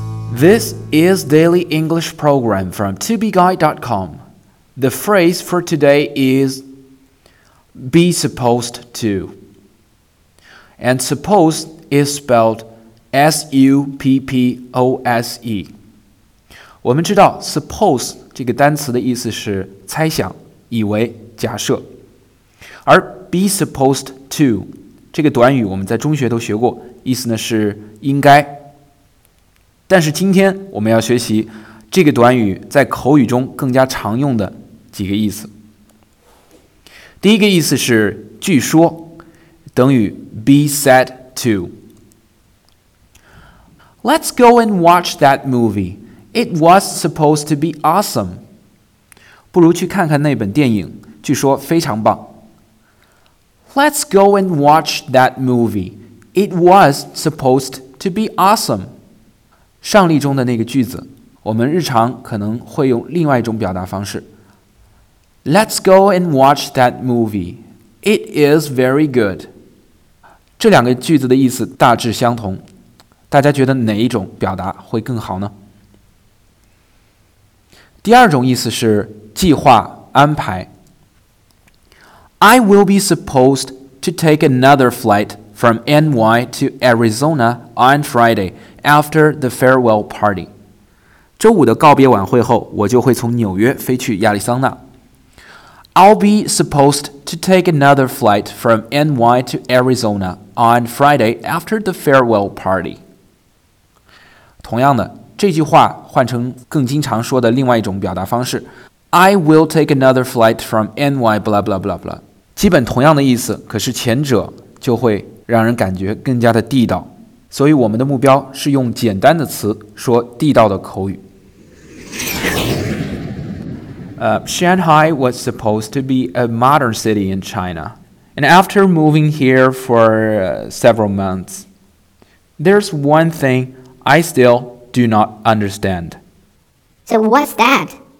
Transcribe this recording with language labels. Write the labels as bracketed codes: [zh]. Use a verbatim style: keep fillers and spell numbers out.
[en] This is Daily English Program from to be guide dot com. The phrase for today is be supposed to. And supposed is spelled S U P P O S E. [zh] 我们知道 suppose 这个单词的意思是猜想、以为、假设。而 be supposed to 这个短语我们在中学都学过，意思呢是应该。但是今天我们要学习这个短语在口语中更加常用的几个意思。第一个意思是据说，等于 be said to. [en] Let's go and watch that movie. It was supposed to be awesome. [zh] 不如去看看那本电影，据说非常棒。 [en] Let's go and watch that movie. It was supposed to be awesome. [zh] 上例中的那个句子，我们日常可能会用另外一种表达方式。 [en] Let's go and watch that movie. It is very good. [zh] 这两个句子的意思大致相同，大家觉得哪一种表达会更好呢？第二种意思是计划、安排。 [en] I will be supposed to take another flight from N Y to Arizona on Friday. After the farewell party. [zh] 周五的告别晚会后，我就会从纽约飞去亚利桑那。 [en] I'll be supposed to take another flight from N Y to Arizona on Friday after the farewell party. [zh] 同样的，这句话换成更经常说的另外一种表达方式。 [en] I will take another flight from N Y blah blah blah blah. [zh] 基本同样的意思，可是前者就会让人感觉更加的地道。所以我们的目标是用简单的词说地道的口语。 [en] Uh, Shanghai was supposed to be a modern city in China. And after moving here for uh, several months, there's one thing I still do not understand. So what's that?